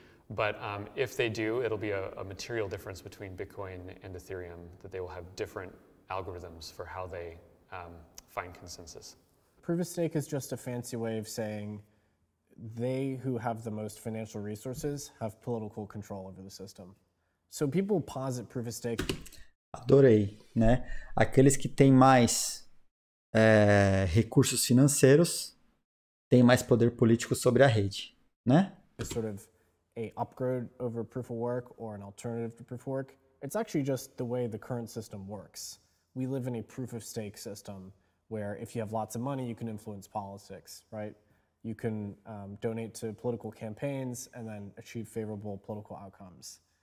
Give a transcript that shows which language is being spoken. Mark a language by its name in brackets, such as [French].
[English] But if they do, it'll be a material difference between Bitcoin and Ethereum, that they will have different algorithms for how they find consensus. Proof of stake is just a fancy way of saying they who have the most financial resources have political control over the system. So people posit proof of stake. [Portuguese] Adorei, né? Aqueles que têm mais recursos financeiros têm mais poder político sobre a rede, né? [English] It's sort of a upgrade over proof of work or an alternative to proof of work. It's actually just the way the current system works. We live in a proof of stake system where if you have lots of money, you can influence politics, right? You can donate to political campaigns and then achieve favorable political outcomes.